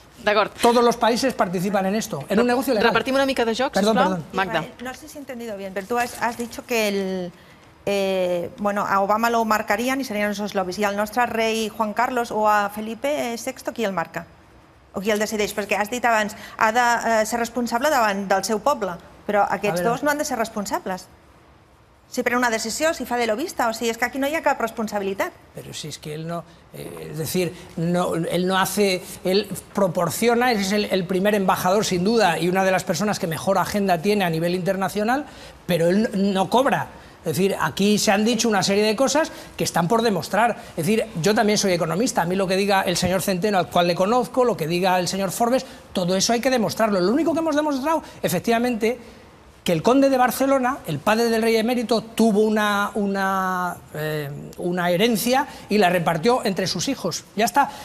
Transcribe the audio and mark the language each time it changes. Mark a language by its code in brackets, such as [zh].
[ca] D'acord. [es] Todos los países participan en esto, en un negocio legal. [ca] Repartim una mica de joc, [es] perdón, [ca] sisplau. [es] Perdón. Magda. No sé si he entendido bien, pero tú has dicho que el... bueno, a Obama lo marcarían y serían esos lobbies. ¿Y al nuestro rey Juan Carlos o a Felipe VI [ca] qui el marca? ¿O qui el decideix? Perquè has dit abans, ha de ser responsable davant del seu poble, però aquests dos no han de ser responsables. Si pren una decisió, si fa de lobista, o si és que aquí no hi ha cap responsabilitat. Però si és que ell no... És a dir, ell no [es] hace... [ca] Ell proporciona, és el primer [es] embajador, sin duda, [ca] i una de les persones que [es] mejor agenda tiene [ca] a nivell internacional, però ell no cobra. [es] Es decir, aquí se han dicho una serie de cosas que están por demostrar. Es decir, yo también soy economista. A mí lo que diga el señor Centeno, al cual le conozco, lo que diga el señor Forbes, todo eso hay que demostrarlo. Lo único que hemos demostrado, efectivamente, que el conde de Barcelona, el padre del rey emérito, tuvo una herencia y la repartió entre sus hijos. Ya está.